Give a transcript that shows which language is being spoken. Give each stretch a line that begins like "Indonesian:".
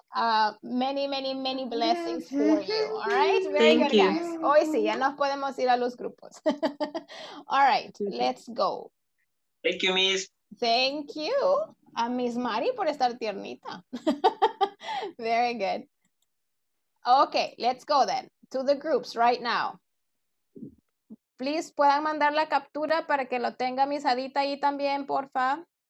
English: I hope, many, many, many blessings for you. All right. Very Thank good, you. Guys.
Spanish: Hoy sí, ya nos podemos ir a los grupos.
English: All right. Let's go. Thank you, Miss. Thank you a Miss Mari
Spanish: por estar tiernita.
English: Very good. Okay. Let's go then to the groups right now.
Spanish: Please, puedan mandar la captura para que lo tenga mis Adita ahí también, porfa.